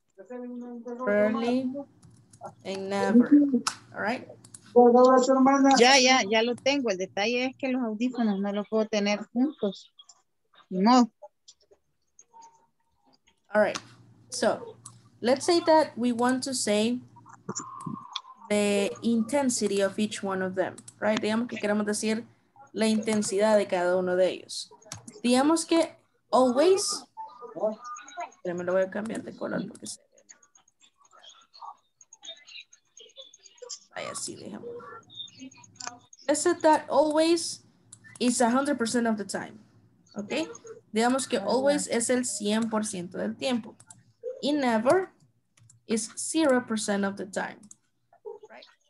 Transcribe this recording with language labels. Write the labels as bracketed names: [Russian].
[English] Rarely and never. All right. [Spanish] Ya lo tengo. El detalle es que los audífonos no los puedo tener juntos. No. [English] All right. So let's say that we want to say the intensity of each one of them, right? [Spanish] Digamos que queremos decir la intensidad de cada uno de ellos. Digamos que always. Pero me lo voy a cambiar de color porque se ve. Ahí así, digamos. [English] I said that always is 100% of the time. [Spanish] Ok. Digamos que always es el 100% del tiempo. [English] Y never is 0% of the time. Right.